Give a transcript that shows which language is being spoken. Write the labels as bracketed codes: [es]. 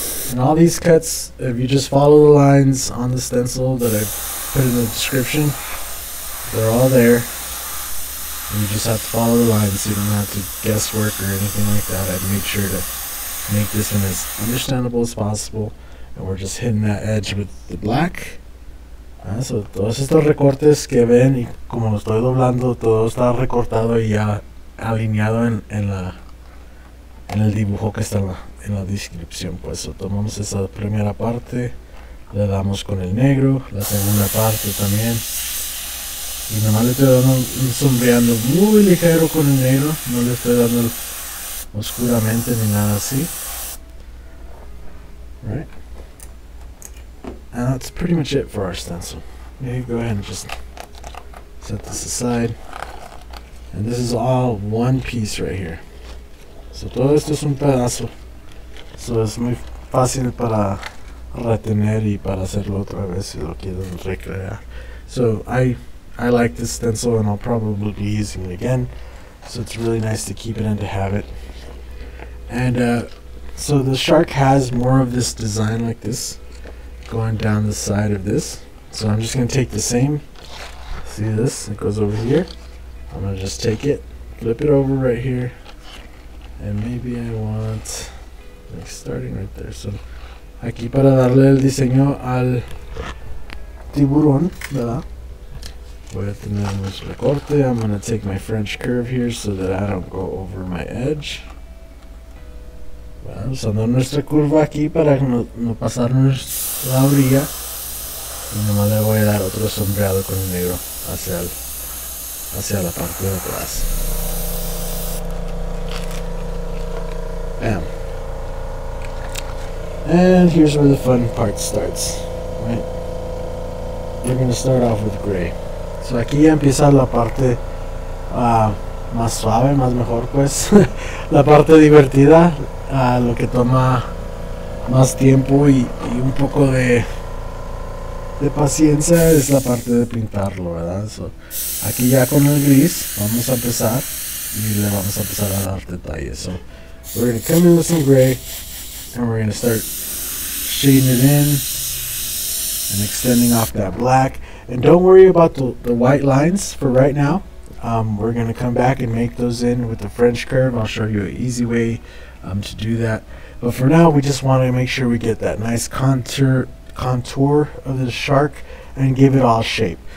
[en] And all these cuts, if you just follow the lines on the stencil that I put in the description, they're all there. You just have to follow the lines, you don't have to guesswork or anything like that. I'd make sure to make this one as understandable as possible. And we're just hitting that edge with the black. [es] So, todos estos recortes que ven, y como lo estoy doblando, todo está recortado y ya alineado en el dibujo que está en la descripción. Pues, tomamos esa primera parte, le damos con el negro, la segunda parte también. Y nada más le estoy dando un sombreando muy ligero con el negro, no le estoy dando oscuramente ni nada así. [en] Right. And that's pretty much it for our stencil. Maybe go ahead and just set this aside. And this is all one piece right here. [es] So todo esto es un pedazo. So es muy fácil para retener y para hacerlo otra vez si lo quieren recrear. [en] So I like this stencil and I'll probably be using it again. So it's really nice to keep it and to have it. And So the shark has more of this design like this going down the side of this. So I'm just going to take the same. See this? It goes over here. I'm going to just take it, flip it over right here. And maybe I want, like, starting right there. [es] So aquí para darle el diseño al tiburón, ¿verdad? Voy a tener un recorte. [en] I'm going to take my French curve here so that I don't go over my edge. [es] Bueno, usando nuestra curva aquí para no pasarnos la orilla. Y nomás le voy a dar otro sombreado con el negro hacia la parte de atrás. [en] Bam. And here's where the fun part starts, right? We're gonna start off with gray. [es] So aquí ya empieza la parte más suave, más mejor, pues. La parte divertida, lo que toma más tiempo y un poco de paciencia es la parte de pintarlo, ¿verdad? So, aquí ya con el gris vamos a empezar y le vamos a empezar a dar detalles. [en] So, we're going to come in with some gray and we're going to start shading it in and extending off that black. And don't worry about the white lines for right now. We're going to come back and make those in with the French curve. I'll show you an easy way to do that. But for now, we just want to make sure we get that nice contour of the shark and give it all shape.